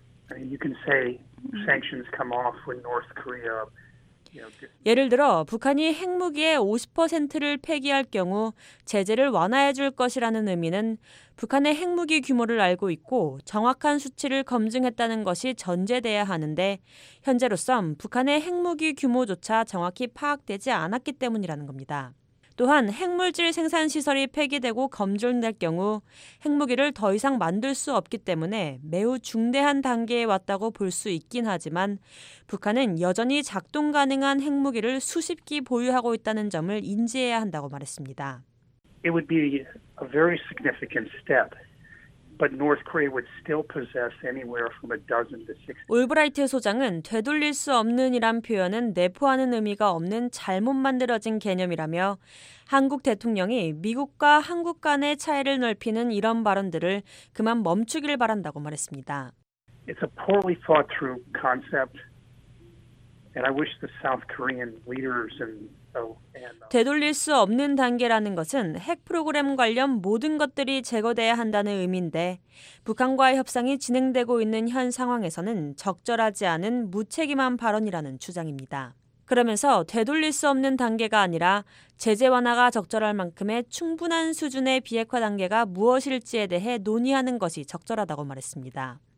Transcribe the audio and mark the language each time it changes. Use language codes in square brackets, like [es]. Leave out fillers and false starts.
[en] I mean, you can say sanctions come off when North Korea. [ko] 예를 들어 북한이 핵무기의 50%를 폐기할 경우 제재를 완화해 줄 것이라는 의미는 북한의 핵무기 규모를 알고 있고 정확한 수치를 검증했다는 것이 전제돼야 하는데 현재로선 북한의 핵무기 규모조차 정확히 파악되지 않았기 때문이라는 겁니다. 또한 핵물질 생산시설이 폐기되고 검증될 경우 핵무기를 더 이상 만들 수 없기 때문에 매우 중대한 단계에 왔다고 볼 수 있긴 하지만 북한은 여전히 작동 가능한 핵무기를 수십 기 보유하고 있다는 점을 인지해야 한다고 말했습니다. [en] It would be a very significant step. But North Korea would still possess anywhere from a dozen to 60. [ko] 올브라이트 소장은 되돌릴 수 없는이란 표현은 내포하는 의미가 없는 잘못 만들어진 개념이라며 한국 대통령이 미국과 한국 간의 차이를 넓히는 이런 발언들을 그만 멈추길 바란다고 말했습니다. [en] It's a poorly thought through concept. And I wish the South Korean leaders and [ko] 되돌릴 수 없는 단계라는 것은 핵 프로그램 관련 모든 것들이 제거돼야 한다는 의미인데 북한과의 협상이 진행되고 있는 현 상황에서는 적절하지 않은 무책임한 발언이라는 주장입니다. 그러면서 되돌릴 수 없는 단계가 아니라 제재 완화가 적절할 만큼의 충분한 수준의 비핵화 단계가 무엇일지에 대해 논의하는 것이 적절하다고 말했습니다.